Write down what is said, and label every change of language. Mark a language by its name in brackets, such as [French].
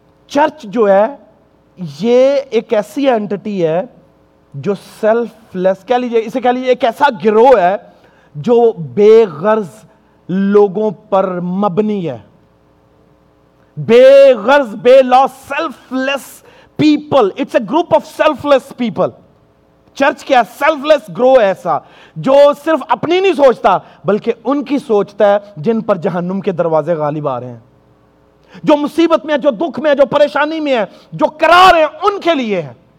[Urdu] Church جو ہے یہ ایک ایسی انٹیٹی ہے جو سیلف لیس, کہہ لیجیے اسے, کہہ لیجیے ایک ایسا گروہ ہے جو بے غرض لوگوں پر مبنی ہے. بے غرض, بے loss, [English] Selfless people. It's a group of selfless people. [Urdu] Church کیا ہے؟ سیلف لیس گروہ ایسا جو صرف اپنی نہیں سوچتا بلکہ ان کی سوچتا ہے جن پر جہنم کے دروازے غالب آ رہے ہیں, جو مصیبت میں ہے, جو دکھ میں ہے, جو پریشانی میں ہے, جو قرار ہے ان کے لیے ہے.